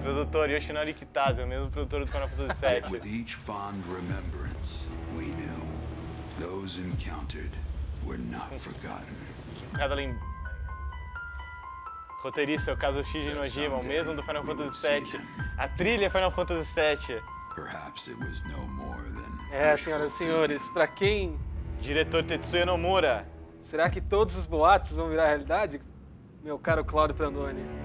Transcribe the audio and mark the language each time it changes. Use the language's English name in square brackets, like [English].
[Portuguese] Produtor Yoshinori Kitase, o mesmo produtor do Final Fantasy VII. [English] With each fond remembrance, we knew those encountered were not forgotten. [Portuguese] Cada roteirista é o Kazushige Nojima, o mesmo do Final Fantasy VII. A trilha Final Fantasy VII. [English] Perhaps it was no more than. [Portuguese] É, senhoras e senhores, pra quem? Diretor Tetsuya Nomura. Será que todos os boatos vão virar realidade, meu caro Claudio Prandoni?